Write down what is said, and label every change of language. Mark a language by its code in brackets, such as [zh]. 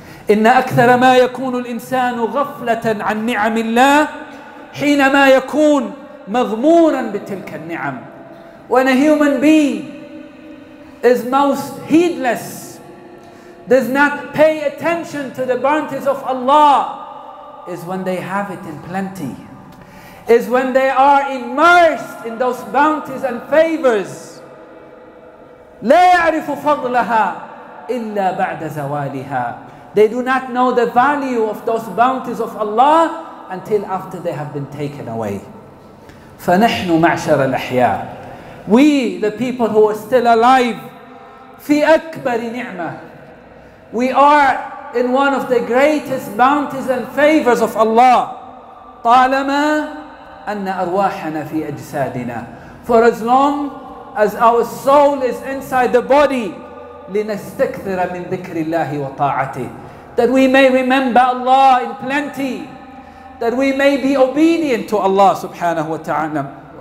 [ar] إن أكثر ما يكون الإنسان غفلة عن نعم الله حينما يكون مغمورا بتلك النعم. [en] When a human being is most heedless, does not pay attention to the bounties of Allah, is when they have it in plenty, is when they are immersed in those bounties and favors. [ar] لا يعرف فضلها إلا بعد زوالها. [en] They do not know the value of those bounties of Allah until after they have been taken away. [ar] فنحن معشر الأحياء. [en] We, the people who are still alive, [ar] في أكبر نعمة. [en] We are in one of the greatest bounties and favors of Allah. [ar] طالما أن أرواحنا في أجسادنا. [en] For as long as our soul is inside the body, [ar] لنستكثر من ذكر الله وطاعته. [en] That we may remember Allah in plenty. That we may be obedient to Allah subhanahu wa ta'ala.